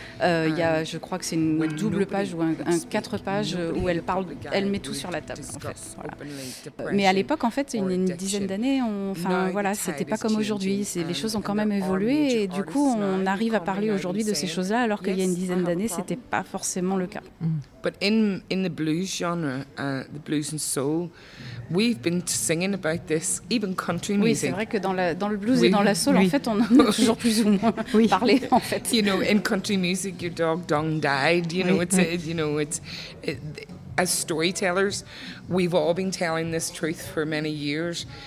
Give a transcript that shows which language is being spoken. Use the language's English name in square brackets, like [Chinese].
[French] Il y a, je crois que c'est une double page ou un quatre pages où elle parle, elle met tout sur la table. En fait, voilà. Mais à l'époque, en fait, il y a une dizaine d'années, enfin voilà, c'était pas comme aujourd'hui. Les choses ont quand même évolué et du coup on arrive à parler aujourd'hui de ces choses-là alors qu'il y a une dizaine d'années c'était pas forcément le cas. [English] But in the blues genre, the blues and soul, we've been singing about this, even country music. [French] Oui, c'est vrai que dans le blues et dans la soul, en fait, on en a toujours plus ou moins parlé, en fait. [English] You know, in country music, your dog Dong died. You know, as storytellers, we've all been telling this truth for many years.